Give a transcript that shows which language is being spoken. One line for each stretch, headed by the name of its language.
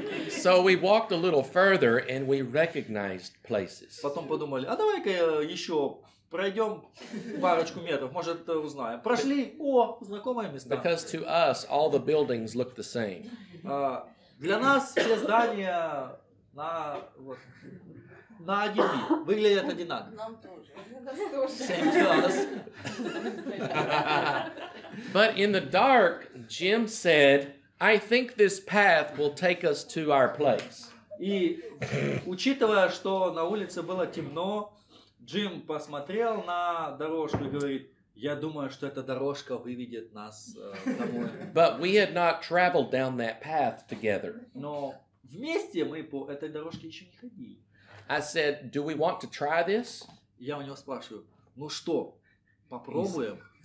English: So we walked a little further and we recognized places.
Russian: Потом подумали, а давай-ка еще пройдем парочку метров, может узнаем. Прошли, о, знакомые места.
English: Because to us all the buildings look the same.
Russian: Для нас все здания на один вид выглядят одинаково. Нам тоже.
English: Same to us. But in the dark, Jim said, "I think this path will take us to our place."
Russian: И учитывая, что на улице было темно, Джим посмотрел на дорожку и говорит, "Я думаю, что эта дорожка выведет нас домой."
English: But we had not traveled down that path together.
Russian: Но вместе мы по этой дорожке еще не ходили.
English: I said, "Do we want to try this?"
Russian: Я у него спрашиваю, "Ну что, попробуем?"